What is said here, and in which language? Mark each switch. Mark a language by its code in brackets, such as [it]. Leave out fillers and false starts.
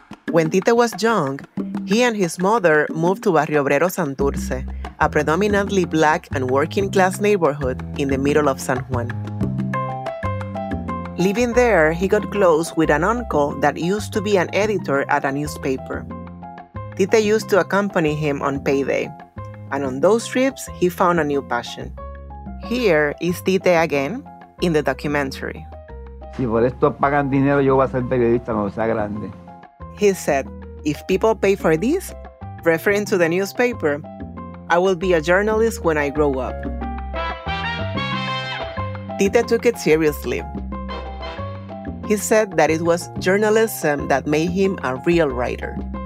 [en] When Tite was young, he and his mother moved to Barrio Obrero Santurce, a predominantly black and working class neighborhood in the middle of San Juan. Living there, he got close with an uncle that used to be an editor at a newspaper. Tite used to accompany him on payday, and on those trips, he found a new passion. Here is Tite again in the documentary. [es] Si por esto pagan dinero, yo voy a ser periodista, no sea grande. [en] He said, if people pay for this, referring to the newspaper, I will be a journalist when I grow up. Tite took it seriously. He said that it was journalism that made him a real writer.